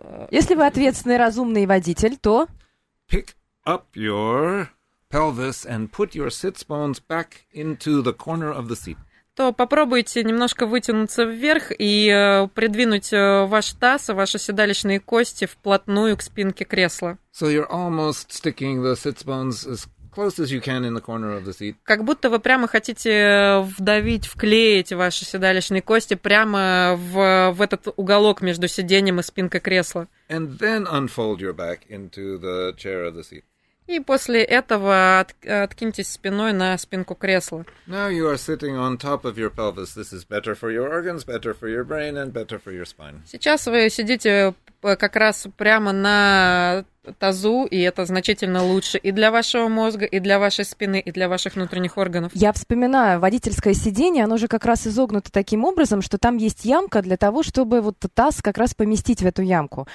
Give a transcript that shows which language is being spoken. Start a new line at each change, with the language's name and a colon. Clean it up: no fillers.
Russian: Если вы ответственный, разумный водитель, то...
English: Pick up your pelvis and put your sit bones back into the corner of the seat.
Russian: то попробуйте немножко вытянуться вверх и придвинуть ваш таз и ваши седалищные кости вплотную к спинке кресла.
English: So you're almost sticking the sit bones as close as you can in the corner of the seat.
Russian: Как будто вы прямо хотите вдавить, вклеить ваши седалищные кости прямо в этот уголок между сиденьем и спинкой кресла.
English: And then unfold your back into the chair of the seat.
Russian: И после этого откиньтесь спиной на спинку кресла.
English: Now you are sitting on top of your pelvis. This is better for your organs, better for your brain, and better for your spine.
Russian: Сейчас вы сидите как раз прямо на тазу, и это значительно лучше и для вашего мозга, и для вашей спины, и для ваших внутренних органов. Я вспоминаю, водительское сиденье, оно же как раз изогнуто таким образом, что там есть ямка для того, чтобы вот таз как раз поместить в эту ямку.